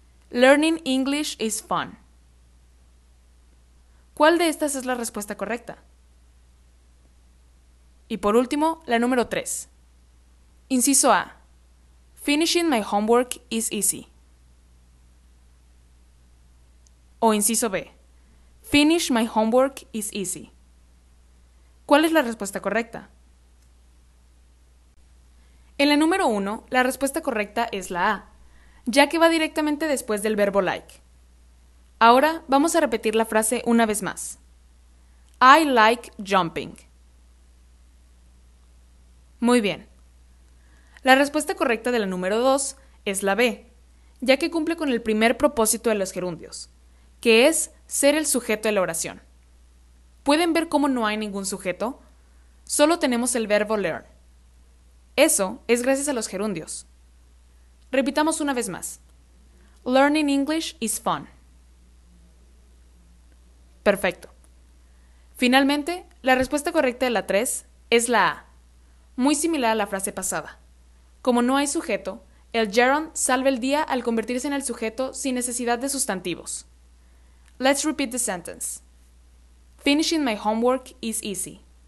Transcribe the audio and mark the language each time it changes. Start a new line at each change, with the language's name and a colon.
English: Learning English is fun.
Spanish: ¿Cuál de estas es la respuesta correcta? Y por último, la número 3. Inciso A.
English: Finishing my homework is easy.
Spanish: O inciso B.
English: Finish my homework is easy.
Spanish: ¿Cuál es la respuesta correcta? En la número 1, la respuesta correcta es la A, ya que va directamente después del verbo like. Ahora vamos a repetir la frase una vez más.
English: I like jumping.
Spanish: Muy bien. La respuesta correcta de la número 2 es la B, ya que cumple con el primer propósito de los gerundios, que es ser el sujeto de la oración. ¿Pueden ver cómo no hay ningún sujeto? Solo tenemos el verbo learn. Eso es gracias a los gerundios. Repitamos una vez más.
English: Learning English is fun.
Spanish: Perfecto. Finalmente, la respuesta correcta de la 3 es la A, muy similar a la frase pasada. Como no hay sujeto, el gerund salva el día al convertirse en el sujeto sin necesidad de sustantivos.
English: Let's repeat the sentence. Finishing my homework is easy.